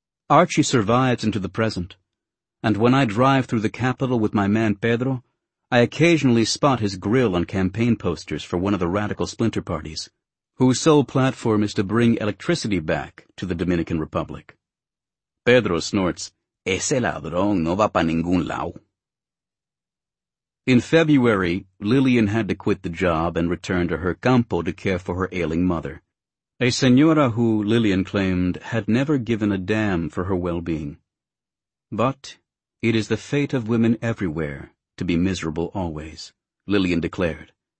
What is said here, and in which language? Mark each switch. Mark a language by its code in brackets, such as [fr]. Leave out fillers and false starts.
[en] Archie survives into the present, and when I drive through the capital with my man Pedro, I occasionally spot his grill on campaign posters for one of the radical splinter parties, whose sole platform is to bring electricity back to the Dominican Republic. Pedro snorts, [es] "Ese ladrón no va pa ningún lado." [en] In February, Lillian had to quit the job and return to her campo to care for her ailing mother, a señora who, Lillian claimed, had never given a damn for her well-being. "But it is the fate of women everywhere to be miserable always," Lillian declared.